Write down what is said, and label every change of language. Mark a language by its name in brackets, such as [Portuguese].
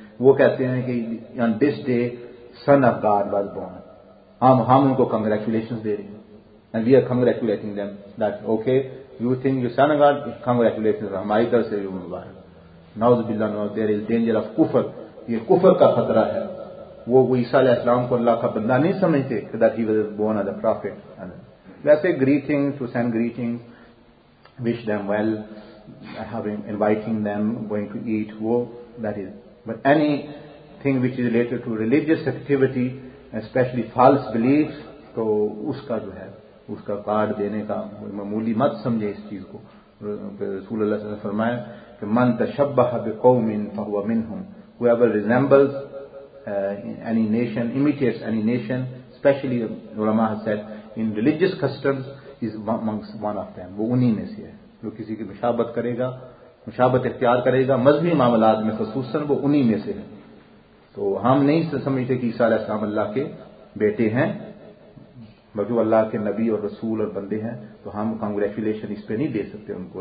[English] وہ کہتے ہیں کہ on this day son of God was born, [Urdu] ہم ان کو کنگریچولیشن دے رہے ہیں, [English] and we are congratulating them that okay you think you son of God, [Urdu] congratulation ہماری طرف سے. [English] ناؤز بلا no there is danger of کفر, [Urdu] یہ کفر کا خطرہ ہے. وہ عیسیٰ علیہ السلام کو اللہ کا بندہ نہیں سمجھتے [English] that he was born as a prophet. ویسے greetings, to send greetings, wish them well, having inviting them, going to eat, وہ that is. But anything which is related to religious activity, especially false beliefs, [Urdu] تو اس کا جو ہے اس کا card دینے کا معمولی مت سمجھے اس چیز کو. رسول اللہ صلی اللہ علیہ وسلم فرمایا کہ [Arabic] من تشبہ بقوم فہو منہم, [English] whoever resembles any nation, imitates any nation, especially ulama has said in religious customs, is amongst one of them. [Urdu] وہ انہی میں سے ہے جو کسی کی مشابہت کرے گا, مشابہت اختیار کرے گا مذہبی معاملات میں خصوصاً, وہ انہی میں سے ہے. تو ہم نہیں سمجھتے کہ عیسیٰ علیہ السلام اللہ کے بیٹے ہیں, بلکہ وہ اللہ کے نبی اور رسول اور بندے ہیں, تو ہم کنگریچولیشن اس پہ نہیں دے سکتے ان کو.